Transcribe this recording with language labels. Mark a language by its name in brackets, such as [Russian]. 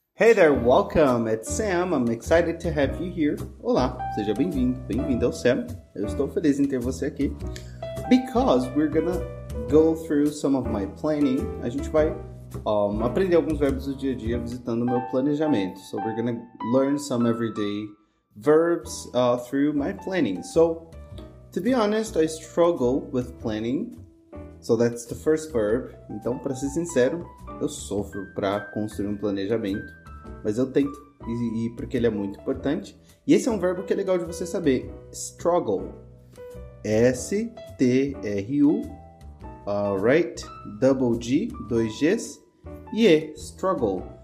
[English] Hey there, welcome, it's Sam, I'm excited to have you here. [Portuguese] Olá, seja bem-vindo, bem-vindo ao Sam. Eu estou feliz em ter você aqui. [English] Because we're gonna go through some of my planning. [Portuguese] A gente vai aprender alguns verbos do dia-a-dia visitando o meu planejamento. [English] So we're gonna learn some everyday verbs through my planning. So, to be honest, I struggle with planning. So that's the first verb. [Portuguese] Então, para ser sincero, eu sofro para construir um planejamento, mas eu tento e porque ele é muito importante. E esse é um verbo que é legal de você saber. [English] Struggle. S-T-R-U. Right? Double G. [Portuguese] Dois Gs. E E. [English] Struggle.